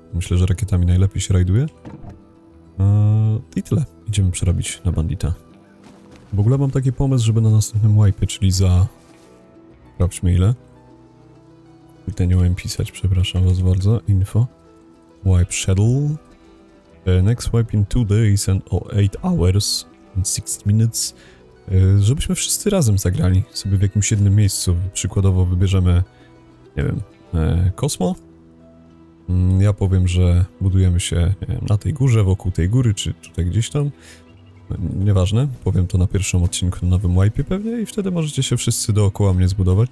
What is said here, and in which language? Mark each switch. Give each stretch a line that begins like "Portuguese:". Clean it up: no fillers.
Polish: Myślę, że rakietami najlepiej się rajduje. I tyle. Idziemy przerobić na bandita. W ogóle mam taki pomysł, żeby na następnym wipe, czyli za... Sprawdźmy ile. Tutaj nie umiem pisać, przepraszam was bardzo.
English: Info. Wipe schedule. Next wipe in 2 days and 8 hours and 6 minutes.
Polish: Żebyśmy wszyscy razem zagrali sobie w jakimś jednym miejscu. Przykładowo wybierzemy, nie wiem, Kosmo. Ja powiem, że budujemy się, nie wiem, na tej górze, wokół tej góry, czy tutaj gdzieś tam. Nieważne, powiem to na pierwszym odcinku na nowym wipe pewnie i wtedy możecie się wszyscy dookoła mnie zbudować.